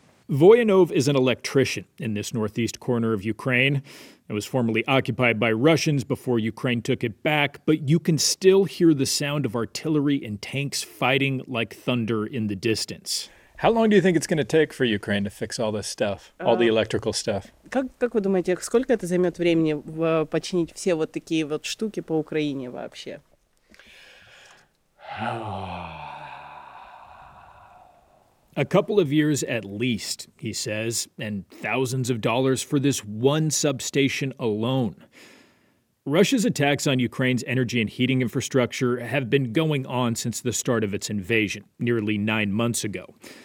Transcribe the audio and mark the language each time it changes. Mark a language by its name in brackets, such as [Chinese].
[English] Voyanov is an electrician in this northeast corner of Ukraine. It was formerly occupied by Russians before Ukraine took it back, but you can still hear the sound of artillery and tanks fighting like thunder in the distance. How long do you think it's going to take for Ukraine to fix all this stuff, all the electrical stuff? [Russian] Как вы думаете, сколько это займет времени починить все вот такие вот штуки по Украине вообще? Oh. [English] A couple of years at least, he says, and thousands of dollars for this one substation alone. Russia's attacks on Ukraine's energy and heating infrastructure have been going on since the start of its invasion, nearly 9 months ago.